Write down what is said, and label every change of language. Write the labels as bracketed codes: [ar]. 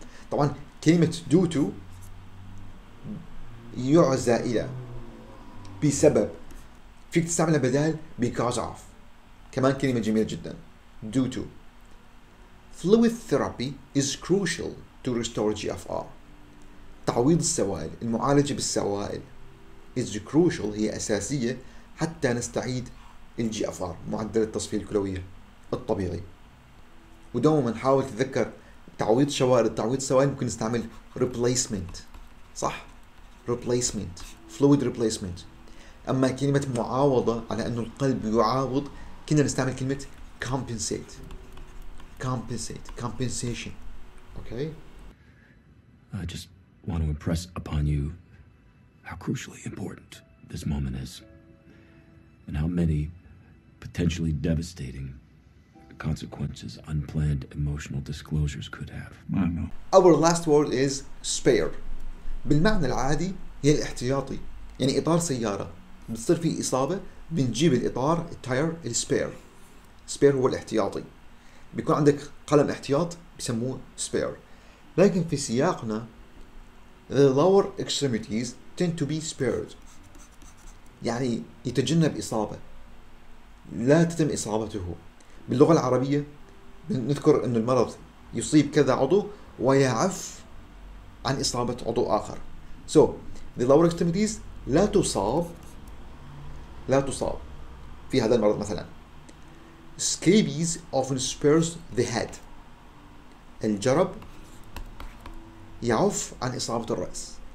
[ar] طبعا كلمة due to يعزى إلى بسبب، فيك تستعملها بدال because of، كمان كلمة جميلة جدا due to. [en] Fluid therapy is crucial to restore GFR. [ar] تعويض السوائل، المعالجة بالسوائل [en] is crucial، [ar] هي أساسية حتى نستعيد GFR، معدل التصفية الكلوية الطبيعي. ودوما حاول تذكر تعويض شوائل، تعويض السوائل ممكن نستعمل replacement، صح؟ replacement، fluid replacement. أما كلمة معاوضة على أنه القلب يعاوض، كنا نستعمل كلمة [en] compensate. Compensate. Compensation. Okay? I just want to impress upon you how crucially important this moment is and how many potentially devastating consequences unplanned emotional disclosures could have. I know. Our last word is spare. [ar] بالمعنى العادي هي الاحتياطي. يعني إطار سيارة. بتصير في إصابة بنجيب الإطار التاير السبير. سبير هو الاحتياطي. بيكون عندك قلم احتياط بسموه سبير. لكن في سياقنا [en] the lower extremities tend to be spared. [ar] يعني يتجنب إصابة. لا تتم إصابته. باللغة العربية نذكر أن المرض يصيب كذا عضو ويعف عن إصابة عضو آخر. [en] So the lower extremities [ar] لا تصاب. لا تصاب في هذا المرض مثلا. [en] Scabies often spares the head. [ar] الجرب يعف عن إصابة الرأس.